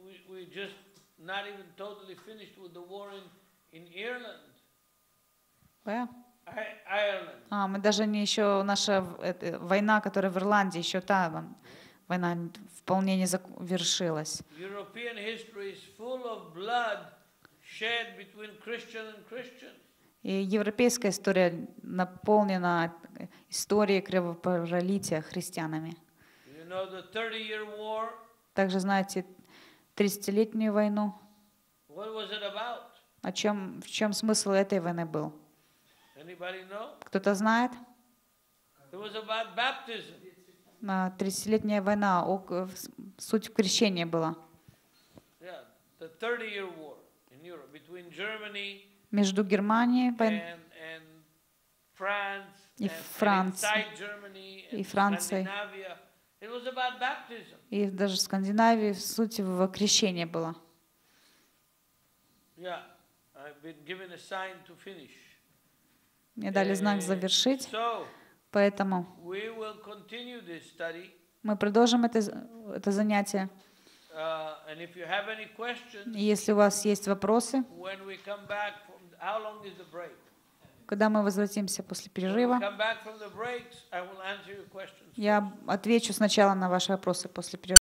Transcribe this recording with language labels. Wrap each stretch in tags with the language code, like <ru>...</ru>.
<en>We just not even totally finished with the war in Ireland. Where? Ireland.</en> <ru>Мы даже не еще наша война, которая в Ирландии, еще та война вполне не завершилась.</ru> <en>European history is full of blood. Shed between Christian and Christian.</en> <ru>И европейская история наполнена историей кровопролития христианами.</ru> <en>You know the 30-year war?</en> <ru>Также знаете 30-летнюю войну?</ru> <en>What was it about?</en> <ru>В чем смысл этой войны был?</ru> <en>Anybody know?</en> <ru>Кто-то знает?</ru> <en>It was about baptism.</en> <ru>30-летняя война, суть в крещении была.</ru> <en>Yeah, the 30-year war. Between Germany</en> <ru>между Германией</ru> <en>and France,</en> <ru>и Францией, и Францией.</ru> <en>It was about baptism.</en> <ru>И даже в Скандинавии суть в крещении была.</ru> <en>Yeah, I've been given a sign to finish.</en> <ru>Мне дали знак завершить,</ru> <en>so,</en> <ru>поэтому</ru> <en>we will continue this study.</en> <ru>Мы продолжим это занятие.</ru> <en>And if you have any questions,</en> <ru>если у вас есть вопросы,</ru> <en>when we come back from, how long is the break?</en> <ru>Когда мы возвратимся после перерыва,</ru> <en>when we come back from the breaks, I will answer your questions.</en> <ru>Я отвечу сначала на ваши вопросы после перерыва.</ru>